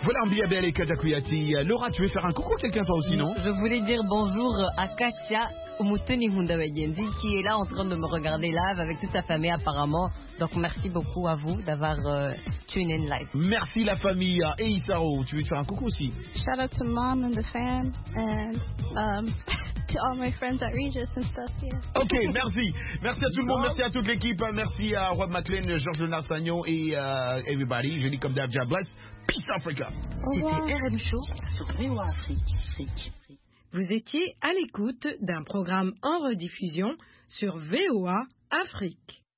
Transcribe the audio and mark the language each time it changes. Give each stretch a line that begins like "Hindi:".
French: Bien, belle et Kaja Kouyaté. Laura, tu veux faire un coucou à quelqu'un, toi aussi, non? Je voulais dire bonjour à Katia Umutuni Hundawayendi qui est là en train de me regarder live avec toute sa famille, apparemment. Donc, merci beaucoup à vous d'avoir
English: tuned in live.
French: Merci, la famille. Et Isaro, tu veux faire un coucou aussi?
English: Shout out to mom and the fam and to all my friends at Regis and stuff here. Yeah.
French: Ok, merci. Merci à tout le monde, merci à toute l'équipe. Merci à Rob McLean, Georges Nassagnon et everybody. Je dis comme d'hab, bless. Peace Africa. C'était RM Show sur VOA Afrique. Vous étiez à l'écoute d'un programme en rediffusion sur VOA Afrique.